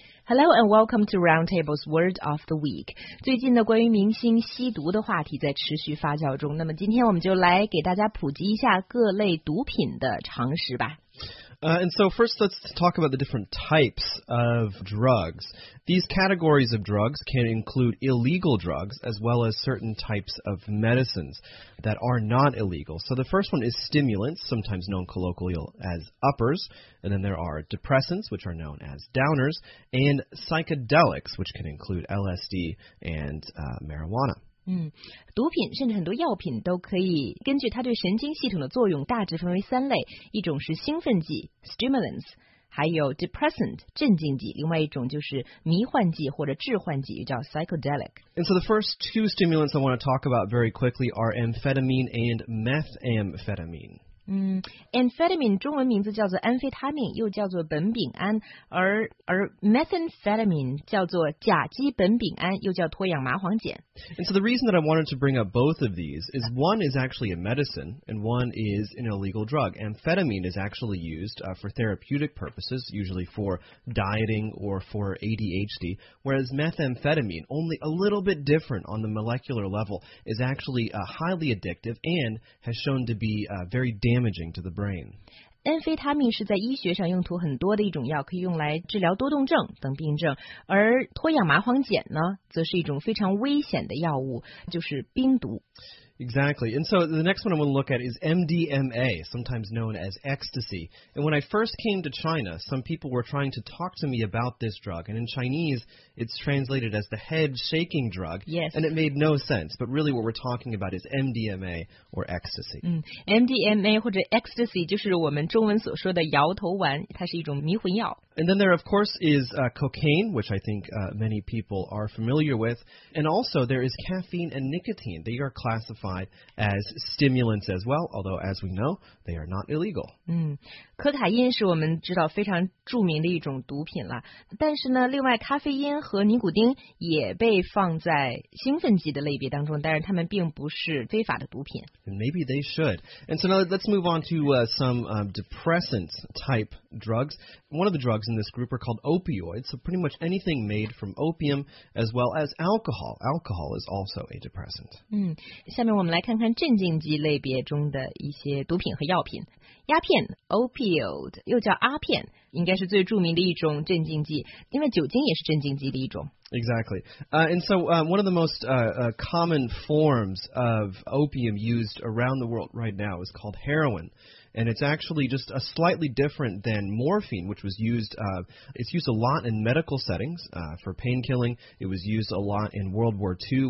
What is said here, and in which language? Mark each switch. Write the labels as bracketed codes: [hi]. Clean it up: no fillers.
[en] Hello and welcome to Roundtable's Word of the Week. [zh] 最近呢，关于明星吸毒的话题在持续发酵中。那么今天我们就来给大家普及一下各类毒品的常识吧。 [en] And so first, let's talk about the different types of drugs. These categories of drugs can include illegal drugs as well as certain types of medicines that are not illegal. So the first one is stimulants, sometimes known colloquially as uppers. And then there are depressants, which are known as downers, and psychedelics, which can include LSD and marijuana. [zh] 毒品甚至很多药品都可以根据它对神经系统的作用大致分为三类，一种是兴奋剂 stimulants， 还有 depressant 镇静剂，另外一种就是迷幻剂或者致幻剂，又叫 psychedelic。 [en] And so the first two stimulants I want to talk about very quickly are amphetamine and methamphetamine. [zh] Amphetamine 中文名字叫做安非他命，又叫做苯丙胺，而 methamphetamine 叫做甲基苯丙胺，又叫脱氧麻黄碱。 [en] And so the reason that I wanted to bring up both of these is one is actually a medicine and one is an illegal drug. Amphetamine is actually used for therapeutic purposes, usually for dieting or for ADHD, whereas methamphetamine, only a little bit different on the molecular level, is actually highly addictive and has shown to be very damaging to the brain. [zh] Amphetamine 是在医学上用途很多的一种药，可以用来治疗多动症等病症，而脱氧麻黄碱呢，则是一种非常危险的药物，就是冰毒。 [en] Exactly. And so the next one I want to look at is MDMA, sometimes known as ecstasy. And when I first came to China, some people were trying to talk to me about this drug. And in Chinese, it's translated as the head shaking drug. Yes. And it made no sense. But really what we're talking about is MDMA or ecstasy. [zh] MDMA 或者 ecstasy 就是我们中文所说的摇头丸，它是一种迷魂药。 [en] And then there, of course, is cocaine, which I think many people are familiar with. And also there is caffeine and nicotine. They are classified as stimulants as well, although, as we know, they are not illegal. [zh] 可卡因是我们知道非常著名的一种毒品了。但是呢，另外咖啡因和尼古丁也被放在兴奋剂的类别当中，但是它们并不是非法的毒品。 [en] And maybe they should. And so now let's move on to some depressant type drugs. One of the drugs in this group are called opioids, so pretty much anything made from opium as well as alcohol. Alcohol is also a depressant. [zh] 下面我们来看看镇静剂类别中的一些毒品和药品。鸦片 opioid 又叫阿片，应该是最著名的一种镇静剂，因为酒精也是镇静剂的一种。 [en] Exactly. And so one of the most common forms of opium used around the world right now is called heroin. And it's actually just a slightly different than morphine, which was used. It's used a lot in medical settings for pain killing. It was used a lot in World War II.